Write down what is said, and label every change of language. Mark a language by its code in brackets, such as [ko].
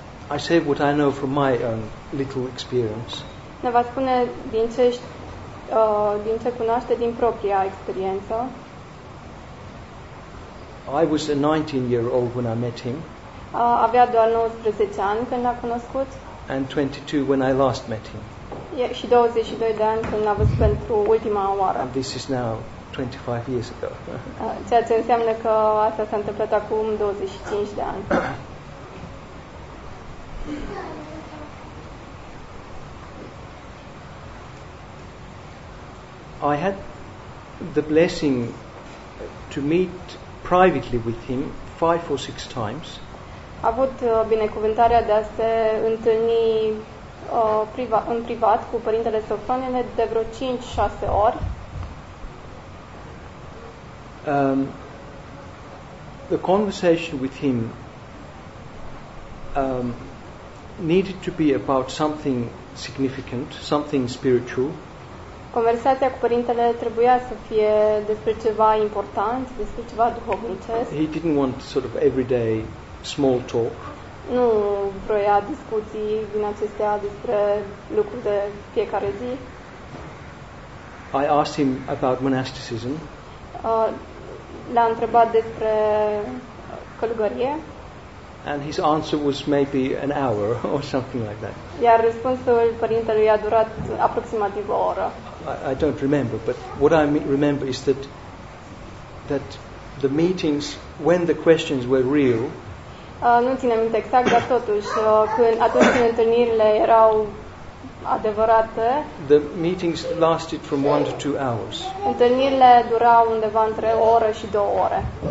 [en] I say what I know from my own little experience. [ro] Ne va spune din ce din ce cunoaște din propria experiență. [en] I was a 19-year-old when I met him. [ro] Avea doar 19 ani când l-a cunoscut. [en] And 22 when I last met him. [ro] Yeah, și 22 de ani când l-a văzut pentru ultima oară. [en] And this is now 25 years ago. [ro] Ceea ce înseamnă că asta s-a întâmplat acum 25 de ani. [en] I had the blessing to meet privately with him 5 or 6 times. [ro] A avut binecuvântarea de a se întâlni în privat cu părintele Sofronie de vreo 5-6 ori. [en] The conversation with him needed to be about something significant, something spiritual. [ro] Conversația cu părintele trebuia să fie despre ceva important, despre ceva duhovnicesc. [en] He didn't want sort of everyday small talk. [ro] Nu vroia discuții din acestea despre lucruri de fiecare zi. [en] I asked him about monasticism. [ro] L-a întrebat despre călugărie. [en] And his answer was maybe an hour or something like that. [ro] Iar răspunsul părintelui a durat aproximativ o oră. [en] I don't remember, but what I remember is that the meetings, when the questions were real. [ro] Nu țin minte exact, dar totuși când atunci întâlnirile erau adevărate. [en] The meetings lasted from 1 to 2 hours. [ro] Întâlnirile durau undeva între o oră și două ore.